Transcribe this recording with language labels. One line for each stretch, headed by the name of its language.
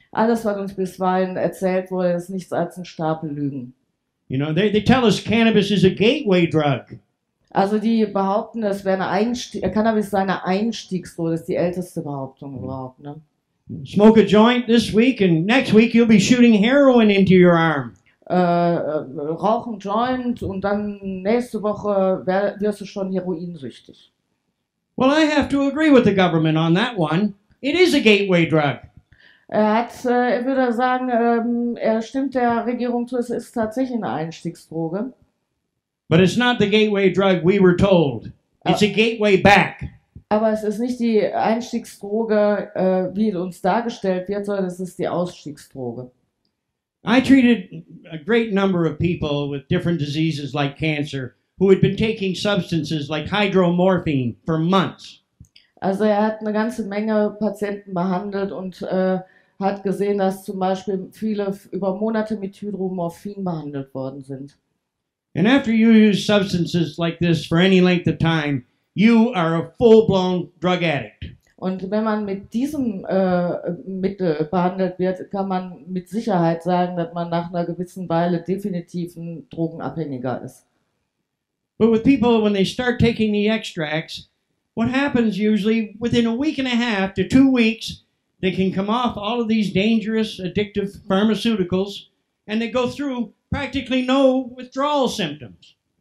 German: Alles, was uns bisweilen erzählt wurde, ist nichts als ein Stapel Lügen.
English: You know, they tell us cannabis is a gateway drug.
German: Also die behaupten, es wäre eine Cannabis sei eine Einstiegsdroge, das ist die älteste Behauptung überhaupt. Ne?
English: Smoke a joint this week and next week you'll be shooting heroin into your arm.
German: Rauchen Joint und dann nächste Woche wirst du schon heroinsüchtig.
English: Well, I have to agree with the government on that one. It is a gateway drug.
German: Er stimmt der Regierung zu, es ist tatsächlich eine Einstiegsdroge.
English: But it's not the gateway drug we were told. It's a gateway back.
German: Aber es ist nicht die Einstiegsdroge, wie es uns dargestellt wird, sondern es ist die Ausstiegsdroge.
English: I treated a great number of people with different diseases like cancer who had been taking substances like hydromorphine for months.
German: Also er hat eine ganze Menge Patienten behandelt und hat gesehen, dass zum Beispiel viele über Monate mit Hydromorphin behandelt worden sind.
English: And after you use substances like this for any length of time, you are a full-blown drug addict.
German: Und wenn man mit diesem Mittel behandelt wird, kann man mit Sicherheit sagen, dass man nach einer gewissen Weile definitiv ein Drogenabhängiger ist.
English: But with people, when they start taking the extracts, what happens usually within a week and a half to 2 weeks, they can come off all of these dangerous, addictive pharmaceuticals, and they go through practically no withdrawal symptoms.